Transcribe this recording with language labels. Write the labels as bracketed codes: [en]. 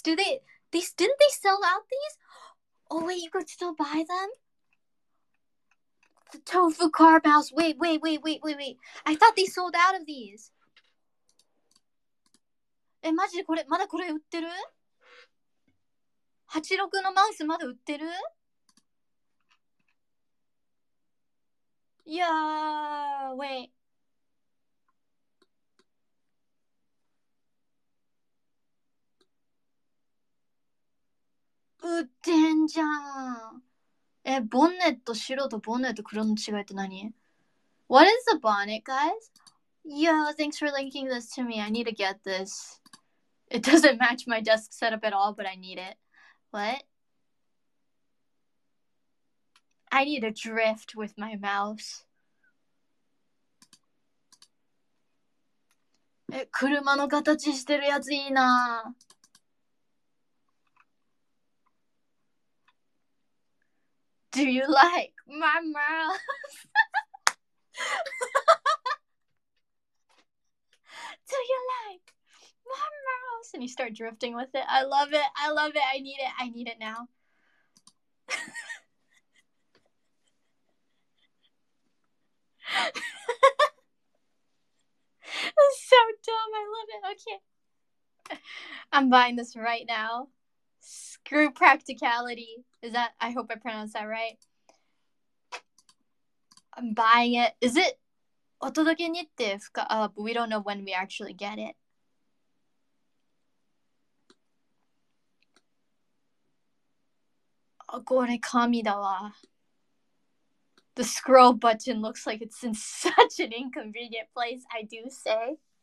[en] Didn't they sell out these? Oh wait, you could still buy them? The Tofu Car Mouse! Wait! I thought they sold out of these! [ja] え、マジでこれ、まだこれ売ってる ?86 のマウスまだ売ってる? [en] Yeah, wait. [ja] うっってんじゃん。え、ボンネット白とボンネット黒の違いって何？ [en] What is the bonnet, guys? Yo, thanks for linking this to me. I need to get this. It doesn't match my desk setup at all, but I need it. What? I need a drift with my mouse. [ja] え、車の形してるやついいな。 [en] Do you like my mouse? Do you like my mouse? And you start drifting with it. I love it. I love it. I need it. I need it now. That's so dumb. I love it. Okay. I'm buying this right now. Screw practicality. Is that, I hope I pronounced that right. I'm buying it. Is it [ja] お届けにって深? [en] But we don't know when we actually get it. [ja] これ神だわ. [en] The scroll button looks like it's in such an inconvenient place, I do say.